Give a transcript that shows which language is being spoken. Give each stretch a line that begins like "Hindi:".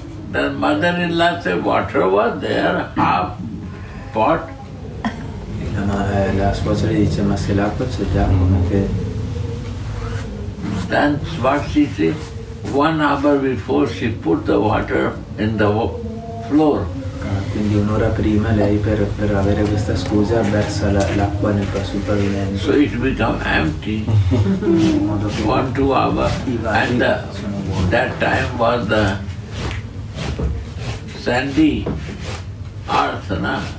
English: The mother-in-law said, water was there, half pot. Then what she said, 1 hour before she put the water in the floor.
Italian: Quindi un'ora prima lei per avere questa scusa versa l'acqua nel suo pavimento.
English: So it become empty. 1-2 hours. And that time was the sandy earth, na?